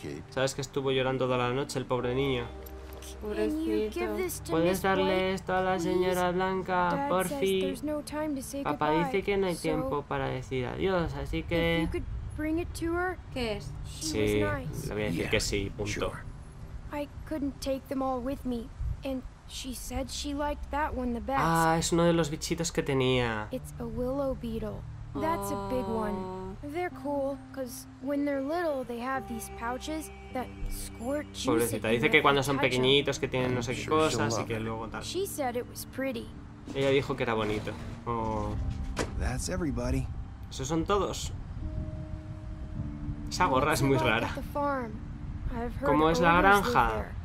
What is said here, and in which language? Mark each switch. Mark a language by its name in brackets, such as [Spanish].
[Spanish] Sabes que estuvo llorando toda la noche el pobre niño. Pobrecito. ¿Puedes darle esto a la señora Blanca, por fin? Papá dice que no hay tiempo para decir adiós, así que... ¿Qué es? Sí, le voy a decir que sí, punto. [English] I couldn't take them all with me, and she said she liked that one the best. [Spanish] Ah, es uno de los bichitos que tenía. [English] It's a willow beetle. That's a big one. They're cool, cause when they're little, they have these pouches that squirt juice. [Spanish] Pobrecita, dice que cuando son pequeñitos que tienen no sé qué cosas y que luego tal. [English] She said it was pretty. [Spanish] Ella dijo que era bonito. Oh. [English] That's everybody. [Spanish] ¿Eso son todos? Esa gorra es muy rara. ¿Cómo es la granja?